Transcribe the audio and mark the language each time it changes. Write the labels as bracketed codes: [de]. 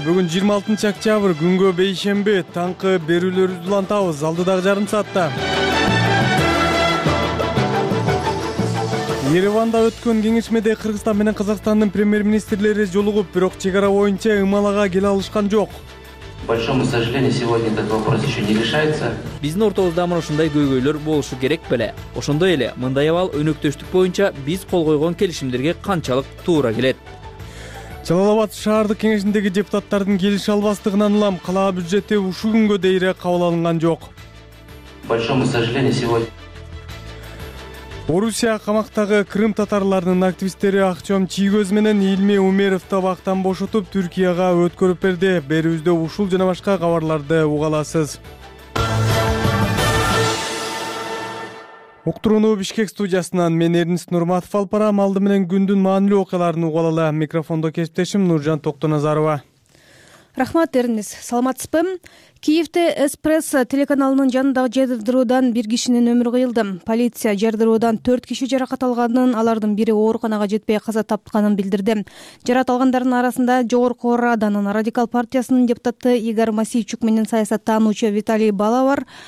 [ky] Бүгүн 26 октябрь, күнгө бейшембе, таңкы берүүлөрүбүздү улантабыз алдыдагы жарым саатта. Ереванда өткөн кеңешмеде Кыргызстан менен Казакстандын премьер-министрлери жолугуп, бирок чек ара боюнча ымалага келе алышкан жок. [ru] Большому сожалению, сегодня этот вопрос еще не решается. [ky] Биздин ортобузда мына ушундай көйгөйлөр болушу керек беле. Ошондой эле мындай абал өнөктөштүк боюнча биз кол койгон келишимдерге канчалык туура келет? Жалал-Абад шаардык кеңешиндеги депутаттардын келише албастыгынан улам калаа бюджети ушул күнгө дейре кабыл алынган жок. [ru] Большому сожалению, сегодня. [ky] Орусия камактагы Крым татарларынын активисттери Ахчом Чийгөз менен Илми Умеров табактан бошотуп Түркияга өткөрүп берди. Берүүбүздө ушул жана башка кабарларды уга аласыз. Уктурууну Бишкек студиясынан мен Эрнис Нурматов алып барам. Алды менен күндүн маанилүү окуяларын уга алалы. Микрофондо кесиптешим Нуржан Токтоназарова. Рахмат Эрнис, саламатсызбы? Киевте Эспресс телеканалынын жанындагы жардыруудан бир кишинин өмүрү кыйылды. Полиция жардыруудан 4 киши жаракат алганын, алардын бири ооруканага жетпей каза тапканын билдирди. Жаракат алгандардын арасында Жогорку Раданын радикал партиясынын депутаты Игорь Масейчук менен саясаттануучу Виталий Бала бар.